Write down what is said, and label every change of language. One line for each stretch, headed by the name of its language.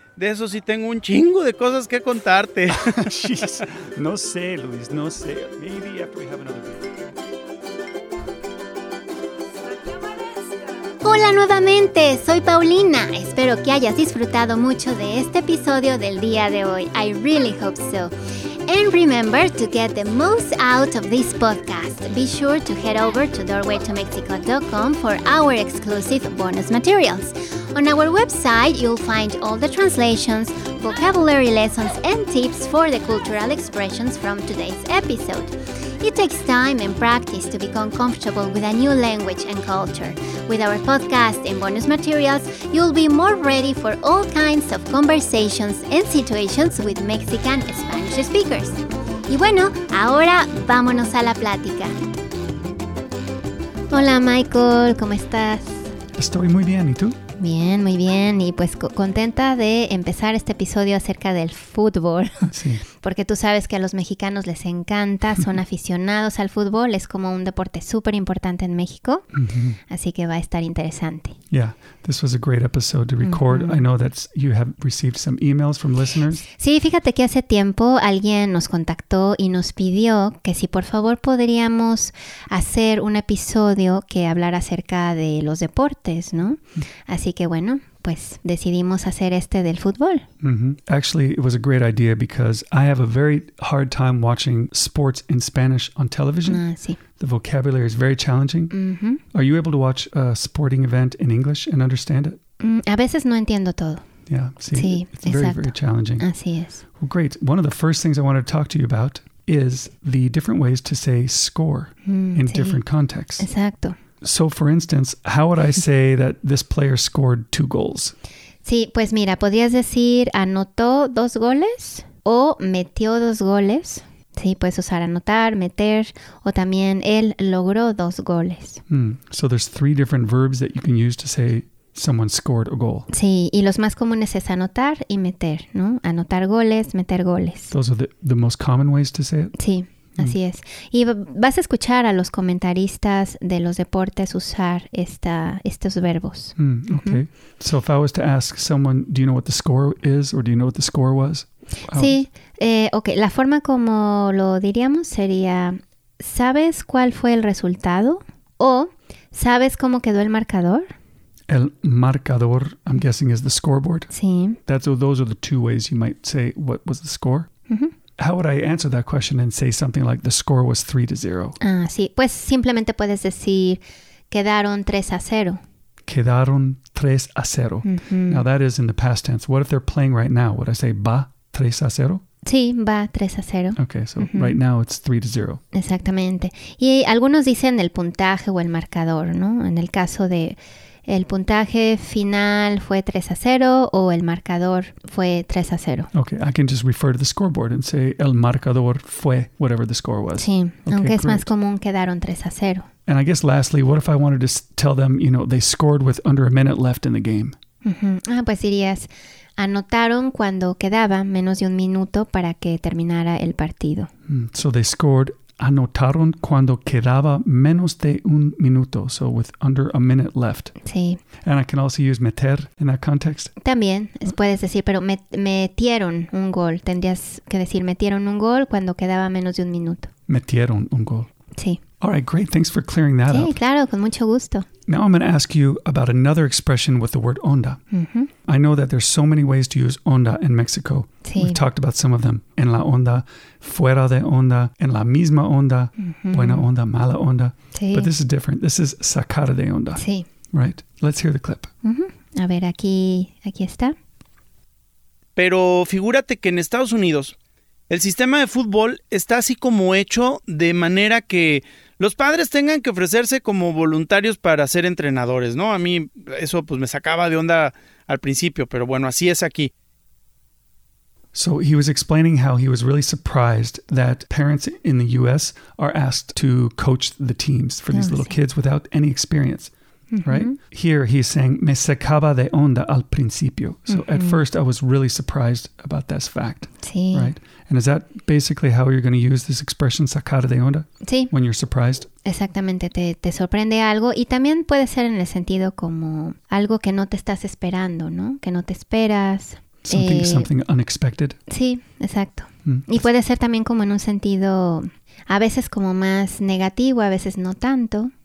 Spanish: De eso sí tengo un chingo de cosas que contarte. No sé, Luis, no sé.
English: Maybe after we have another video.
Spanish: Hola nuevamente, soy Paulina. Espero que hayas disfrutado mucho de este episodio del día de hoy.
English: I really hope so. And remember to get the most out of this podcast. Be sure to head over to doorwaytomexico.com for our exclusive bonus materials. On our website, you'll find all the translations, vocabulary lessons, and tips for the cultural expressions from today's episode. It takes time and practice to become comfortable with a new language and culture. With our podcast and bonus materials, you'll be more ready for all kinds of conversations and situations with Mexican Spanish speakers.
Spanish: Y bueno, ahora vámonos a la plática. Hola, Michael, ¿cómo estás? Estoy muy bien, ¿y tú? Bien, muy bien. Y pues contenta de empezar este episodio acerca del fútbol. Sí. Porque tú sabes que a los mexicanos les encanta, son aficionados al fútbol. Es como un deporte súper importante en México. Uh-huh. Así que va a estar interesante.
English: Yeah, this was a great episode to record. Uh-huh. I know that you have received some emails from listeners.
Spanish: Sí, fíjate que hace tiempo alguien nos contactó y nos pidió que si por favor podríamos hacer un episodio que hablara acerca de los deportes, ¿no? Uh-huh. Así que bueno, pues decidimos hacer este del fútbol.
English: Mm-hmm. Actually, it was a great idea because I have a very hard time watching sports in Spanish on television.
Spanish: Sí.
English: The vocabulary is very challenging. Mm-hmm. Are you able to watch a sporting event in English and understand it?
Spanish: A veces no entiendo todo.
English: Yeah, sí,
Spanish: sí,
English: it's very, very challenging.
Spanish: Así es.
English: Well, great. One of the first things I wanted to talk to you about is the different ways to say score in
Spanish: sí.
English: different contexts.
Spanish: Exacto.
English: So, for instance, how would I say that this player scored 2 goals?
Spanish: Sí, pues mira, podrías decir anotó 2 goles o metió 2 goles. Sí, puedes usar anotar, meter, o también él logró 2 goles. Mm.
English: So, there's 3 different verbs that you can use to say someone scored a goal.
Spanish: Sí, y los más comunes es anotar y meter, ¿no? Anotar goles, meter goles.
English: Those are the most common ways to say it?
Spanish: Sí. Así es. Y vas a escuchar a los comentaristas de los deportes usar estos verbos.
English: Mm, okay. Mm-hmm. So if I was to ask someone, do you know what the score is or do you know what the score was?
Spanish: Sí. Okay. La forma como lo diríamos sería, ¿sabes cuál fue el resultado? O, ¿sabes cómo quedó el marcador?
English: El marcador, I'm guessing, is the scoreboard.
Spanish: Sí.
English: Those are the 2 ways you might say what was the score. Mm-hmm. How would I answer that question and say something like the score was 3-0?
Spanish: Ah, sí. Pues simplemente puedes decir quedaron 3-0. Quedaron 3-0. Mm-hmm.
English: Now that is in the past tense. What if they're playing right now? Would I say
Spanish: va 3-0? Sí, va 3-0.
English: Okay, so mm-hmm. right now it's 3-0.
Spanish: Exactamente. Y algunos dicen el puntaje o el marcador, ¿no? En el caso de el puntaje final fue 3-0 o el marcador fue 3-0.
English: Okay, I can just refer to the scoreboard and say
Spanish: el marcador fue
English: whatever the score was.
Spanish: Sí, okay, aunque es más común quedaron 3-0.
English: And I guess lastly, what if I wanted to tell them, you know, they scored with under a minute left in the game?
Spanish: Uh-huh. Ah, pues dirías, anotaron cuando quedaba menos de un minuto para que terminara el partido.
English: So they scored.
Spanish: Anotaron cuando quedaba menos de un minuto,
English: so with under a minute left.
Spanish: Sí.
English: And I can also use meter in that context.
Spanish: También puedes decir, pero metieron un gol. Tendrías que decir metieron un gol cuando quedaba menos de un minuto. Metieron un gol. Sí.
English: All right, great. Thanks for clearing that
Spanish: up. Sí, claro, con mucho gusto.
English: Now I'm going to ask you about another expression with the word onda. Mm-hmm. I know that there's so many ways to use onda in Mexico.
Spanish: Sí.
English: We've talked about some of them.
Spanish: En la onda, fuera de onda, en la misma onda, mm-hmm. buena onda, mala onda. Sí.
English: But this is different. This is sacar de onda.
Spanish: Sí.
English: Right. Let's hear the clip.
Spanish: Mm-hmm. A ver, aquí está. Pero figúrate que en Estados Unidos, el sistema de fútbol está así como hecho de manera que los padres tengan que ofrecerse como voluntarios para ser entrenadores, ¿no? A mí eso pues me sacaba de onda al principio, pero bueno, así es aquí.
English: So he was explaining how he was really surprised that parents in the U.S. are asked to coach the teams for these little kids without any experience, mm-hmm. right? Here he's saying,
Spanish: me sacaba de onda al principio. So mm-hmm.
English: at first I was really surprised about this fact,
Spanish: sí.
English: right? And is that basically how you're going to use this expression, sacar de onda?
Spanish: Sí.
English: When you're surprised?
Spanish: Exactamente. Te sorprende algo. Y también puede ser en el sentido como algo que no te estás esperando, ¿no? Que no te esperas.
English: Something unexpected.
Spanish: Sí, exacto. Mm. Y puede ser también como en un sentido a veces como más negativo, a veces no tanto,